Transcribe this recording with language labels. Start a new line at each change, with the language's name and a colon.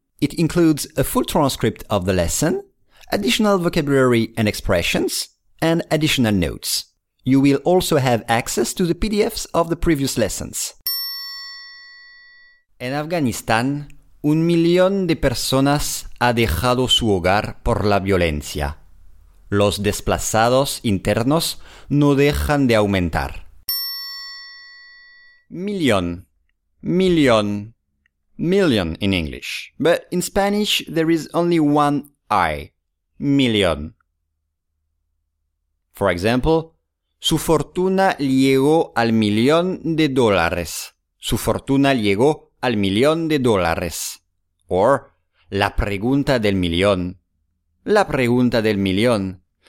English: It includes a full transcript of the lesson, additional vocabulary and expressions, and additional notes. You will also have access to the PDFs of the previous lessons.
Spanish: En Afganistán, un millón de personas ha dejado su hogar por la violencia. Los desplazados internos no dejan de aumentar. Millón. Millón.
English: Million in English. But in Spanish, there is only one I. Million. For example,
Spanish: su fortuna llegó al millón de dólares. Su fortuna llegó al millón de dólares. Or, la pregunta del millón. La pregunta del millón.